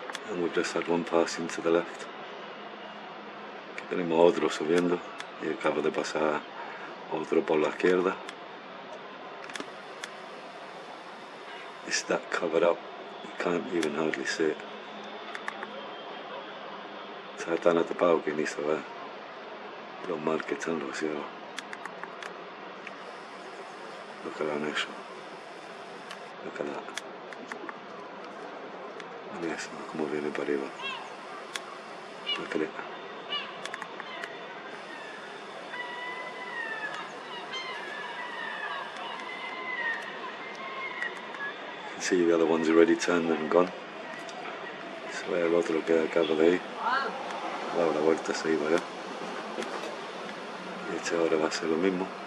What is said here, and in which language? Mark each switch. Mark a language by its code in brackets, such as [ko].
[en] And we've just had one passing to the left. [es] Aquí tenemos otro subiendo. Y acaba de pasar otro por la izquierda. [en] It's that covered up. You can't even hardly see it. [es] Está tan atapado que ni se ve. Lo mal que están los cielos. [en] Look at that next one. Look at that. [es] Mira eso, como viene para arriba. [en] Look at it. You can see the other ones already turned and gone. [es] Se ve el otro que acaba de ir. Wow, la vuelta se iba ya. Y este ahora va a ser lo mismo.